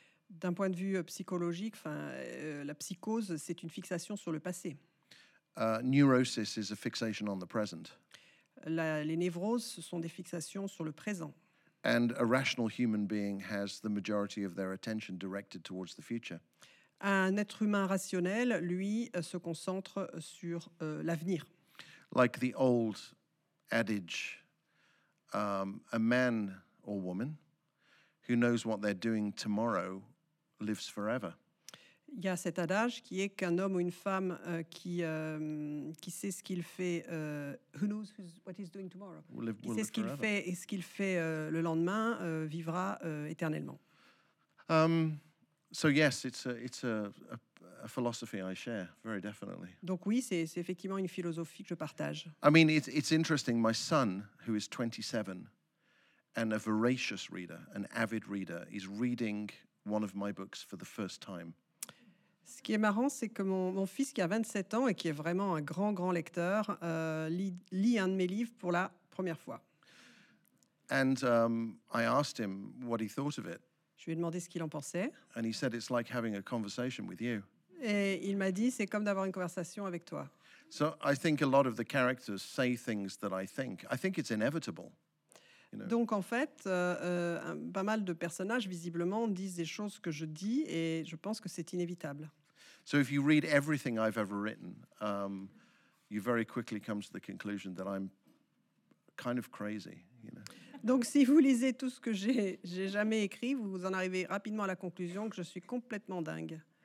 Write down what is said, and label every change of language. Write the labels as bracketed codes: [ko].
[fr] D'un point de vue psychologique, la psychose, c'est une fixation sur le passé. [en] Neurosis is a fixation on the present. [fr] Les névroses, ce sont des fixations sur le présent. [en] And a rational human being has the majority of their attention directed towards the future. [fr] Un être humain rationnel, lui, se concentre sur l'avenir. [en] Like the old adage, a man or woman who knows what they're doing tomorrow lives forever. [fr] Il y a cet adage qui est qu'un homme ou une femme qui sait ce qu'il fait, [en] who knows what he's doing tomorrow, we'll [fr] sait ce qu'il [en] forever. [fr] Fait et ce qu'il fait le lendemain vivra éternellement. [en] So yes, it's a philosophy I share very definitely. [fr] Donc oui, c'est effectivement une philosophie que je partage. [en] I mean, it's interesting. My son, who is 27, and a voracious reader, an avid reader, is reading one of my books for the first time. [fr] Ce qui est marrant, c'est que mon fils, qui a 27 ans et qui est vraiment un grand, grand lecteur, lit un de mes livres pour la première fois. [en] And I asked him what he thought of it. [fr] Je lui ai demandé ce qu'il en pensait. [en] And he said, it's like having a conversation with you. [fr] Et il m'a dit, c'est comme d'avoir une conversation avec toi. [en] So I think a lot of the characters say things that I think. I think it's inevitable. You know. [fr] Donc, en fait, pas mal de personnages, visiblement, disent des choses que je dis et je pense que c'est inévitable. [en] So if you read everything I've ever written, you very quickly come to the conclusion that I'm kind of crazy. You know. [fr] Donc, si vous lisez tout ce que j'ai jamais écrit, vous en arrivez rapidement à la conclusion que je suis complètement dingue.